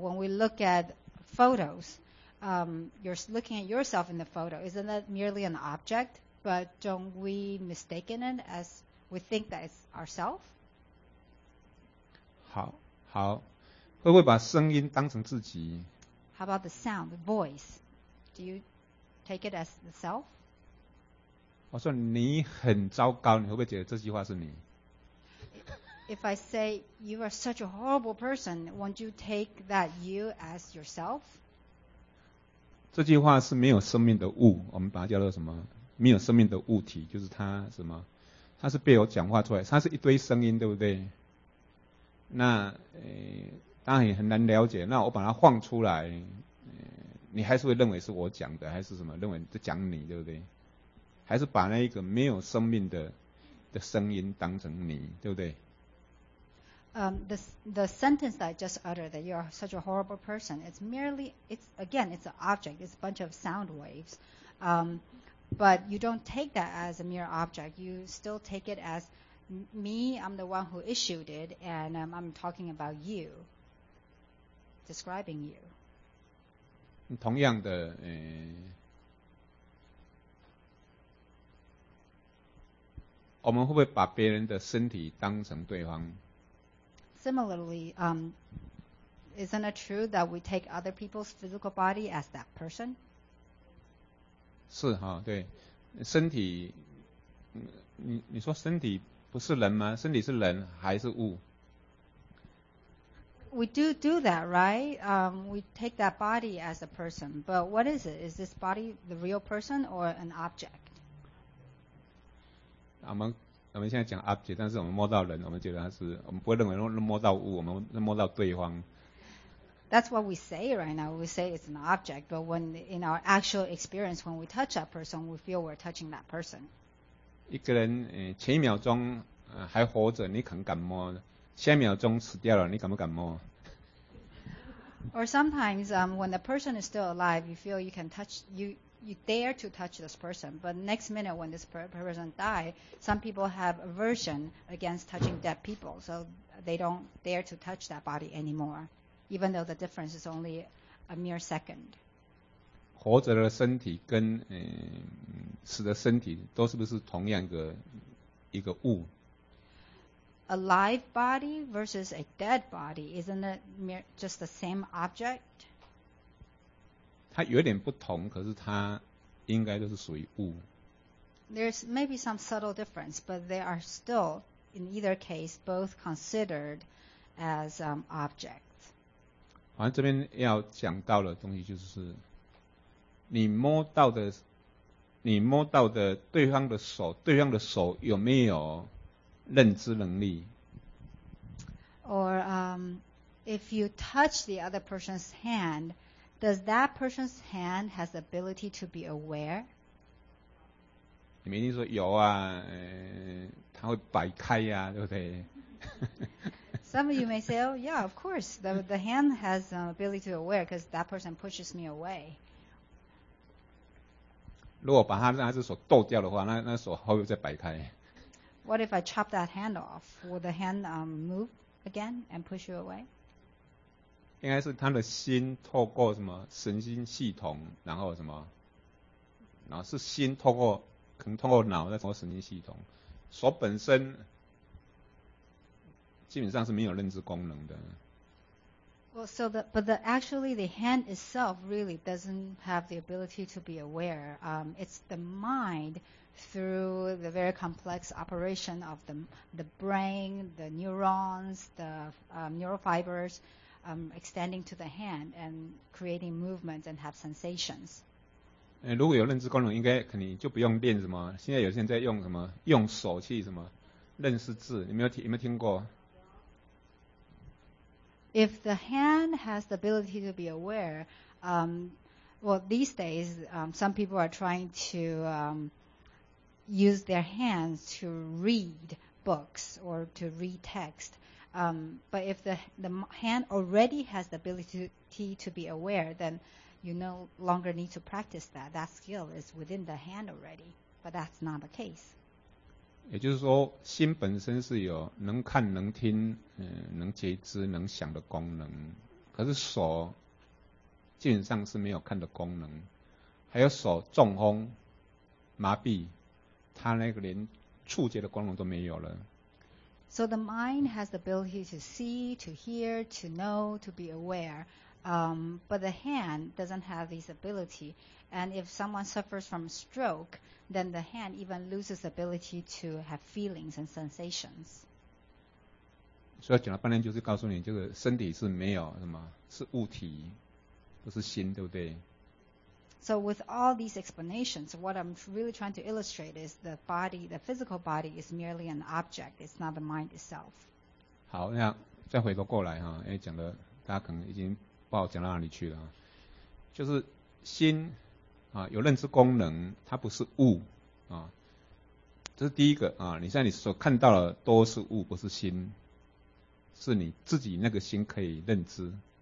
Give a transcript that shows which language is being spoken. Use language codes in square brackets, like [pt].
[en] When we look at photos, you're looking at yourself in the photo. Isn't that merely an object? But don't we mistake it as we think that it's ourselves? [zh] 好，会不会把声音当成自己？ [en] How about the sound, the voice? Do you take it as the self? [zh] 我说你很糟糕，你会不会觉得这句话是你？ [en] If I say you are such a horrible person, won't you take that you as yourself? [zh] 这句话是没有生命的物，我们把它叫做什么？没有生命的物体，就是它什么？它是被我讲话出来，它是一堆声音，对不对？那当然也很难了解。那我把它放出来，你还是会认为是我讲的，还是什么认为在讲你，对不对？还是把那一个没有生命的声音当成你，对不对？ [en] The sentence that I just uttered, that you are such a horrible person, it's merely, it's again, it's an object, it's a bunch of sound waves. But you don't take that as a mere object. You still take it as me, I'm the one who issued it, and I'm talking about you, describing you. [zh] 同样的，我们会不会把别人的身体当成对方？ [en] Similarly, isn't it true that we take other people's physical body as that person? [zh] 是哈，对，身体，你说身体不是人吗？身体是人还是物？ [en] We do that, right? We take that body as a person. But what is it? Is this body the real person or an object? [zh] 我们现在讲 object， 但是我们摸到人，我们觉得它是，我们不会认为摸到物，我们摸到对方。 [en] That's what we say right now. We say it's an object, but when in our actual experience, when we touch that person, we feel we're touching that person. [zh] 一个人，前一秒钟，还活着，你肯敢摸？下一秒钟死掉了，你敢不敢摸？ [en] Or sometimes, when the person is still alive, you feel you can touch you dare to touch this person, but next minute when this person die, some people have aversion against touching dead people, so they don't dare to touch that body anymore, even though the difference is only a mere second. [zh] 活着的身体跟死的身体都是不是同样一个物？ [en] A live body versus a dead body, isn't it just the same object? [zh] 它有点不同，可是它应该都是属于物。 [en] There's maybe some subtle difference, but they are still, in either case, both considered as objects. [zh] 好像这边要讲到的东西就是，你摸到的对方的手，对方的手有没有认知能力 [en] ？Or if you touch the other person's hand. Does that person's hand has the ability to be aware? [zh] 你们一定说有啊，他会摆开啊，对不对？ [en] Some of you may say, oh yeah, of course, the hand has the ability to be aware because that person pushes me away. [zh] 如果把他那只手剁掉的话，那手会不会再摆开？ [en] What if I chop that hand off? Will the hand move again and push you away? [zh] 应该是他的心透过什么神经系统，然后什么，然后是心透过，可能透过脑再通过神经系统，手本身基本上是没有认知功能的。 [en] Well, so actually the hand itself really doesn't have the ability to be aware. It's the mind through the very complex operation of the brain, the neurons, the neural fibers. Extending to the hand and creating movements and have sensations. [zh] 如果有认知功能，应该肯定就不用练什么。现在有些人在用什么，用手去什么认识字，有没有听过 [en] ？If the hand has the ability to be aware, well, these days, some people are trying to use their hands to read books or to read text. But if the hand already has the ability to be aware, then you no longer need to practice that. That skill is within the hand already, but that's not the case. [zh] 也就是说，心本身是有能看、能听、能觉知、能想的功能，可是手基本上是没有看的功能，还有手中风、麻痹，它那个连触觉的功能都没有了。 [en] So the mind has the ability to see, to hear, to know, to be aware, but the hand doesn't have this ability. And if someone suffers from stroke, then the hand even loses the ability to have feelings and sensations. [zh] 所以讲了半天就是告诉你，就是身体是没有什么，是物体，不是心，对不对？ [en] So with all these explanations, what I'm really trying to illustrate is the body, the physical body is merely an object. It's not the mind itself. [zh] 好，那再回头过来哈，因为讲的大家可能已经不好讲到哪里去了，就是心啊，有认知功能，它不是物啊。这是第一个啊，你现在你所看到的都是物，不是心，是你自己那个心可以认知。